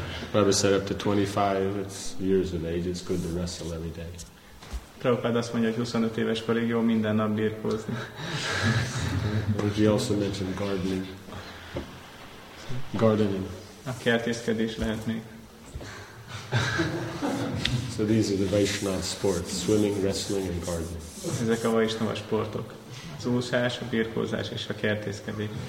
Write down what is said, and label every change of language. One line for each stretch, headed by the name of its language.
English: Prabhupada said up to 25 years of age, it's good to wrestle every day.
Hungarian: Prabhupada azt mondja, hogy 25 éves korig jó minden nap birkózni.
English: He also mentioned gardening. Gardening.
Hungarian: A kertészkedés lehet még.
English: So these are the Vaishnava sports, swimming, wrestling and gardening.
Hungarian: Ezek a Vaishnava sportok. Az úszás, a birkózás és a kertészkedés.